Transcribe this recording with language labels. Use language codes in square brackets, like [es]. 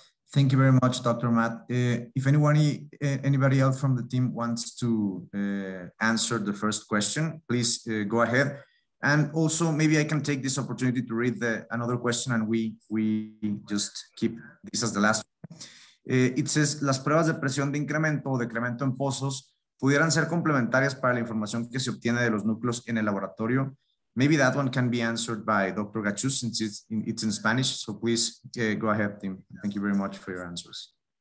[en] Thank you very much, Dr. Matt. If anybody else from the team wants to answer the first question, please go ahead. And also maybe I can take this opportunity to read another question, and we just keep this as the last one. It says, [es] las pruebas de presión de incremento o decremento en pozos pudieran ser complementarias para la información que se obtiene de los núcleos en el laboratorio. [en] Maybe that one can be answered by Dr. Gachuz, since it's in Spanish. So please go ahead, Tim. Thank you very much for your answers.